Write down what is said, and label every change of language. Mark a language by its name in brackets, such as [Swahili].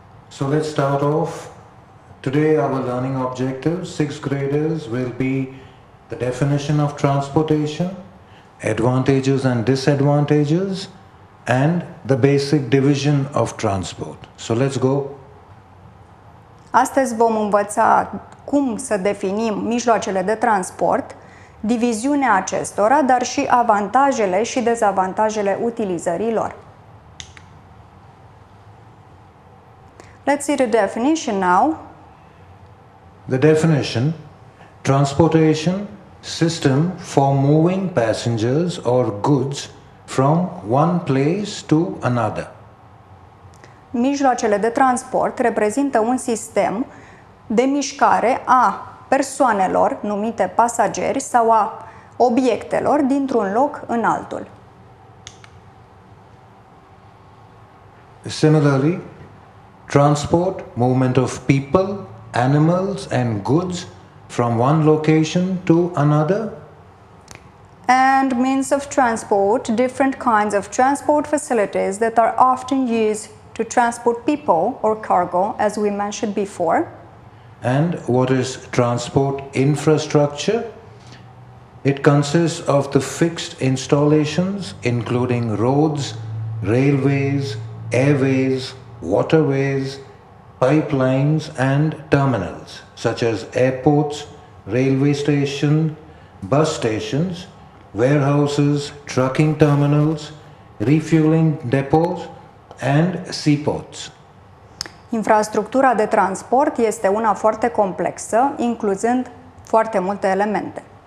[English] So let's start off. Today our learning objective, 6th graders, will be the definition of transportation, advantages and disadvantages, and the basic division of transport. So let's go. [Romanian] Astăzi vom învăța cum să definim mijloacele de transport, diviziunea acestora, dar și avantajele și dezavantajele utilizărilor. [English] Let's see the definition now. The definition: transportation system for moving passengers or goods from one place to another. [Romanian] Mijloacele de transport reprezintă un sistem de mișcare a persoanelor, numite pasageri, sau a obiectelor dintr-un loc în altul. [English] Similarly, transport, movement of people, animals and goods from one location to another. And means of transport, different kinds of transport facilities that are often used to transport people or cargo, as we mentioned before. And what is transport infrastructure? It consists of the fixed installations, including roads, railways, airways, waterways, pipelines and terminals, such as airports, railway station, bus stations, warehouses, trucking terminals, refueling depots and seaports. [Romanian] Infrastructura de transport este una foarte complexă, incluzând foarte multe elemente.